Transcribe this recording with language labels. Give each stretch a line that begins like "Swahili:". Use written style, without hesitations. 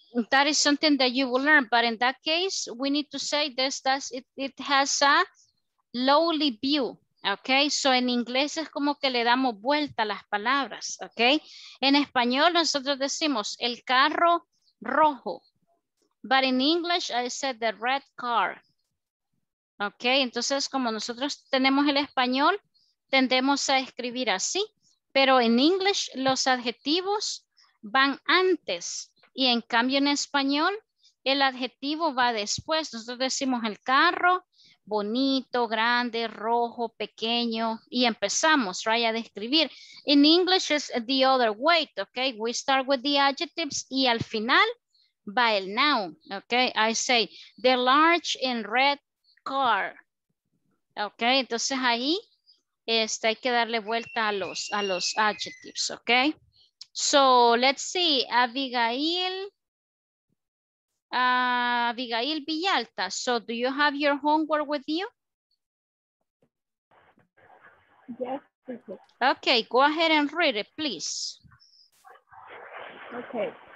English: That is something that you will learn, but in that case, we need to say this, that it has a lowly view.
Spanish: Ok, so en inglés es como que le damos vuelta a las palabras, ok. En español nosotros decimos el carro rojo,
English: but in English I said the red car,
Spanish: ok. Entonces como nosotros tenemos el español, tendemos a escribir así, pero en English los adjetivos van antes y en cambio en español el adjetivo va después. Nosotros decimos el carro, bonito, grande, rojo, pequeño, y empezamos, right, a describir.
English: In English is the other way, okay? We start with the adjectives
Spanish: y al final va el
English: noun, okay? I say, the large and red car, okay?
Spanish: Entonces ahí este, hay que darle vuelta a los adjectives, okay?
English: So let's see, Abigail. Abigail Villalta, so do you have your homework with you? Yes. Okay, go ahead and read it, please. Okay.